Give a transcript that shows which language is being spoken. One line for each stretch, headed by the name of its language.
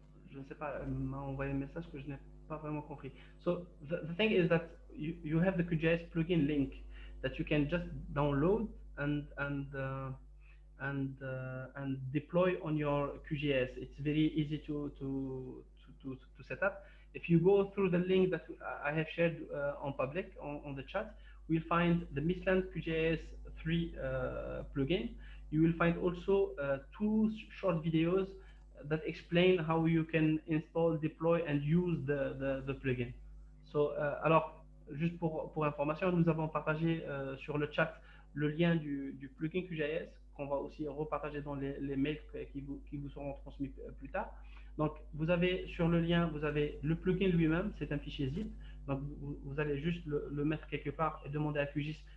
French: Je ne sais pas, elle m'a envoyé un message que je n'ai pas vraiment compris.
English: So the thing is that you have the QGIS plugin link that you can just download and deploy on your QGIS. It's very easy to set up. If you go through the link that I have shared on public on the chat, we'll find the Missland QGIS 3 plugin. You will find also two short videos that explain how you can install, deploy and use the plugin. So,
French: alors, juste pour information, nous avons partagé sur le chat le lien du plugin QGIS qu'on va aussi repartager dans les mails qui vous seront transmis plus tard. Donc, vous avez sur le lien, vous avez le plugin lui-même, c'est un fichier zip. Donc, vous allez juste le mettre quelque part et demander à QGIS